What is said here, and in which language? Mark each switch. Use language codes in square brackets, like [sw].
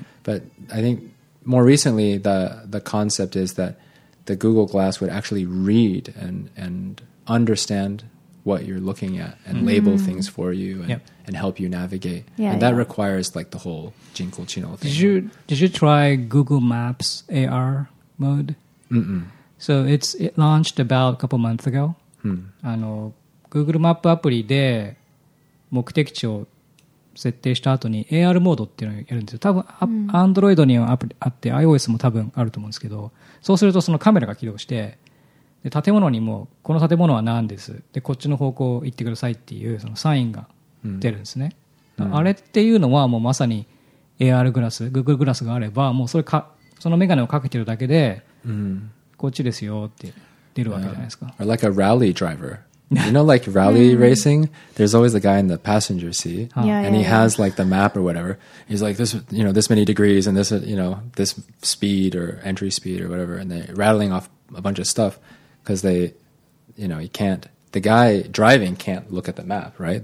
[en] But I think more recently the concept is that the Google Glass would actually read and understand what you're looking at and label things for you and, and help you navigate. Yeah, and that requires like the whole Jinko Chino thing. Did you try Google Maps AR mode? Mm-mm. So it launched about a couple months ago. [ja] Google Map アプリで目的地を設定した後に AR モードっていうのをやるんですよ。多分 Android にはアプリあって iOS も多分あると思うんですけど、そうするとそのカメラが起動して、で建物にもこの建物は何です、でこっちの方向行ってくださいっていうそのサインが出るんですね。あれっていうのはもうまさに AR グラス、 Google グラスがあればもうそれか、そのメガネをかけてるだけで、こっちですよって出るわけじゃないですか。 [en] Or like a rally driver, you know, like rally racing, there's always a guy in the passenger seat and he has like the map or whatever, he's like this, you know, this many degrees and this, you know, this speed or entry speed or whatever, and they're rattling offa bunch of stuff because they, you know, you can't, the guy driving can't look at the map, right?